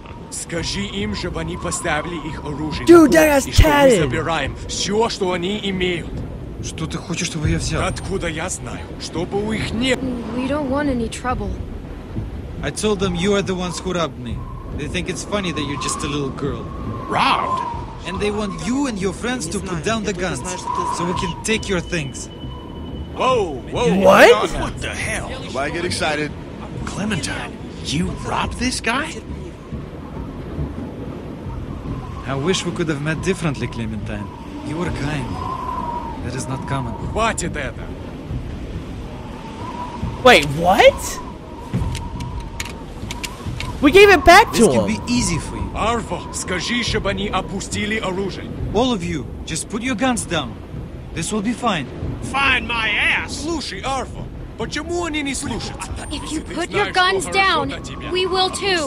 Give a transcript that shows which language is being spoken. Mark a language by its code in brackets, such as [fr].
[ru] Скажи им, чтобы они поставили их оружие. [en] Dude, that guy's chatting! [ru] И что мы забираем все, что они имеют. Что ты хочешь, чтобы я взял? Откуда я знаю? Чтобы у них не... [en] We don't want any trouble. I told them you are the ones who robbed me. They think it's funny that you're just a little girl. Robbed? And they want you and your friends to put down the guns, so we can take your things. Whoa! What? What the hell? Why get excited? Clementine, you robbed this guy? I wish we could have met differently, Clementine. You were kind. That is not common. Watch it, Ada. Wait, what? We gave it back to him! This can be easy for you. [ru] Arvo, скажи, чтобы они опустили оружие. [en] All of you, just put your guns down. This will be fine. Find my ass! [ru] Слушай, Arvo, почему они не слушаются? [en] If you put your guns down, we will too.